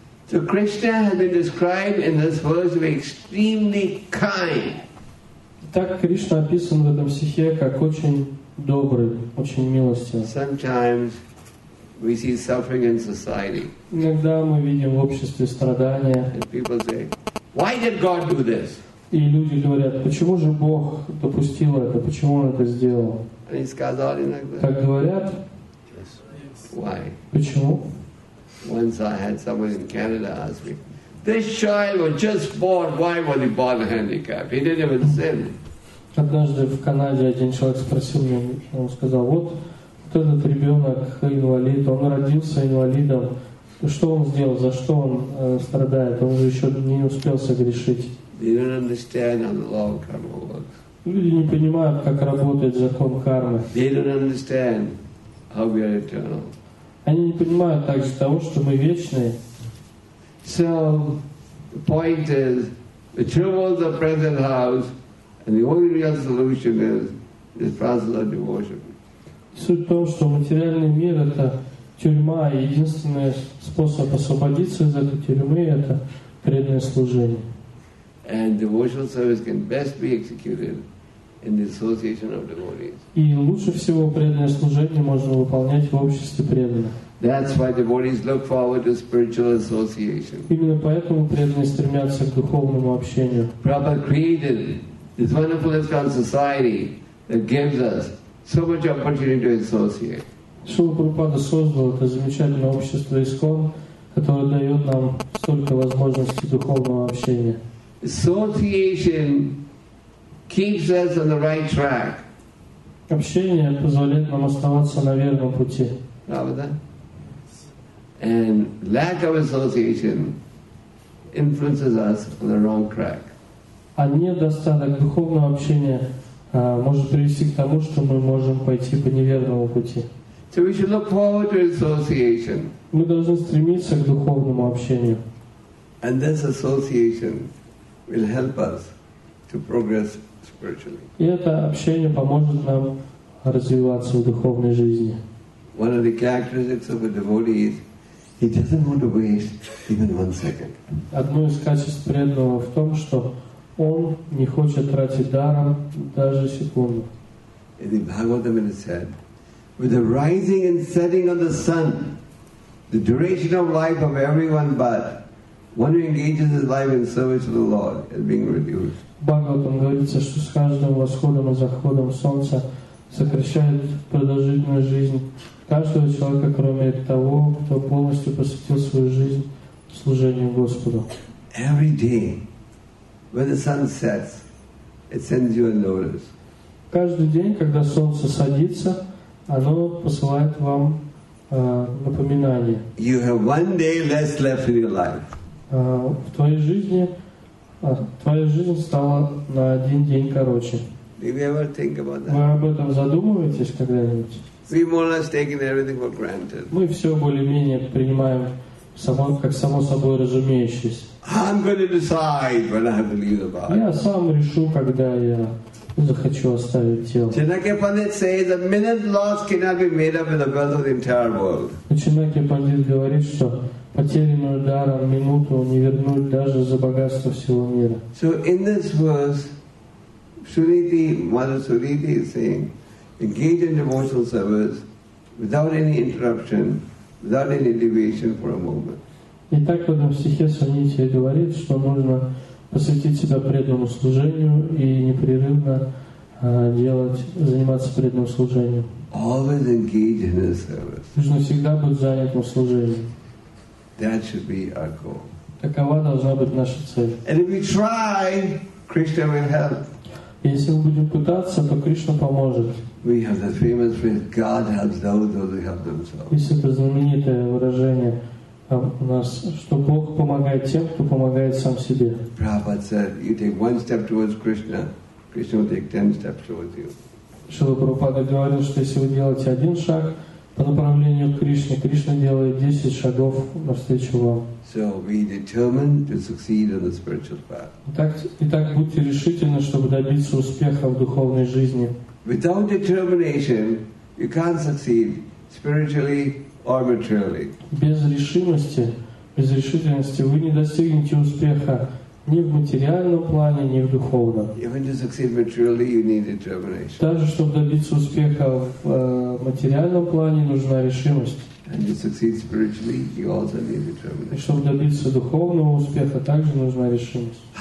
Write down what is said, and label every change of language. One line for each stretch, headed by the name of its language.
English: So Krishna has been described in this verse to be extremely kind.
Russian: Так Кришна описан в этом стихе как очень добрый, очень милостивый.
English: Sometimes we see suffering in society.
Russian: Иногда мы видим в обществе страдания.
English: And people say, why did God do this?
Russian: и люди говорят, почему же Бог допустил это, почему Он это сделал? Они сказали иногда. Как говорят?
English: Why?
Russian: Почему?
English: Once I had someone in Canada ask me, this child was just born, why was he born handicapped? He didn't even sin.
Russian: Однажды в Канаде один человек спросил меня, он сказал, вот, вот этот ребенок инвалид, он родился инвалидом, что он сделал, за что он страдает, он же еще не успел согрешить.
English: You don't understand how the law of karma works.
Russian: Люди не понимают, как работает закон кармы.
English: They don't understand how we are eternal.
Russian: Они не понимают также того, что мы вечные.
English: So, the point is, the troubles of present house, and the only real solution is this process of devotion.
Russian: Суть в том, что материальный мир — это тюрьма, и единственный способ освободиться из этой тюрьмы — это преданное служение.
English: And devotional service can best be executed in the association of devotees.
Russian: И лучше всего преданное служение можно выполнять в обществе преданных.
English: That's why devotees look forward to spiritual association.
Russian: Именно поэтому преданные стремятся к духовному общению.
English: Prabhupada created this wonderful ISKCON society that gives us so much opportunity to associate.
Russian: Шрила Прабхупада создал это замечательное общество ИСКОН, которое дает нам столько возможностей духовного общения.
English: Association keeps us on the right track.
Russian: Общение позволяет нам оставаться на верном пути. Правда?
English: And lack of association influences us on the wrong track.
Russian: А недостаток духовного общения может привести к тому, что мы можем пойти по неверному пути.
English: So we should look forward to association.
Russian: Мы должны стремиться к духовному общению.
English: And this association will help us to progress spiritually.
Russian: И это общение поможет нам развиваться в духовной жизни.
English: One of the characteristics of a devotee is he doesn't want to waste even one second.
Russian: Одно из качеств преданного в том, что он не хочет тратить даром даже секунду.
English: In the Bhagavatam it said, with the rising and setting of the sun, the duration of life of everyone but one who engages his life in service to the Lord is being reduced.
Russian: Бхагаватам говорится, что с каждым восходом и заходом солнца сокращает продолжительность жизни каждого человека, кроме того, кто полностью посвятил свою жизнь служению Господу.
English: Every day, when the sun sets, it sends you a notice.
Russian: Каждый день, когда солнце садится, оно посылает вам напоминание.
English: You have one day less left in your life.
Russian: В твоей жизни, твоя жизнь стала на один день короче.
English: Do you ever think about that?
Russian: Вы об этом задумываетесь когда-нибудь?
English: We more or less taking everything for granted.
Russian: Мы все более-менее принимаем как само собой разумеющееся.
English: I'm going to decide when I have to leave the body.
Russian: Я сам решу, когда я захочу оставить тело.
English: Chanakya Pandit says a minute loss cannot be made up in the wealth of the entire world.
Russian: Chanakya Pandit говорит, что потерянную даром минуту не вернуть даже за богатство всего мира.
English: So in this verse, Suriti, Mother Suriti is saying, engage in devotional service without any interruption, without any deviation for a moment.
Russian: И так в этом стихе Суриди говорит, что нужно посвятить себя преданному служению и непрерывно заниматься преданным служением.
English: Always engage in the service.
Russian: Нужно всегда быть занятым служением.
English: That should be our goal.
Russian: Такова должна быть наша цель.
English: And if we try, Krishna will help.
Russian: Если мы будем пытаться, то Кришна поможет.
English: We have the famous phrase, God helps those who help themselves.
Russian: Есть это знаменитое выражение у нас, что Бог помогает тем, кто помогает сам себе.
English: Prabhupada said, you take one step towards Krishna, Krishna will take 10 steps towards you.
Russian: Шрила Прабхупада говорил, что если вы делаете один шаг по направлению к Кришне, Кришна делает 10 шагов навстречу вам.
English: So be determined to succeed on the spiritual path.
Russian: Итак, будьте решительны, чтобы добиться успеха в духовной жизни.
English: Without determination, you can't succeed spiritually or materially.
Russian: Без решительности вы не достигнете успеха ни в материальном плане, ни в духовном.
English: Even to succeed materially, you need determination.
Russian: Даже чтобы добиться успеха в материальном плане, нужна решимость. Чтобы добиться духовного успеха, также нужна решимость.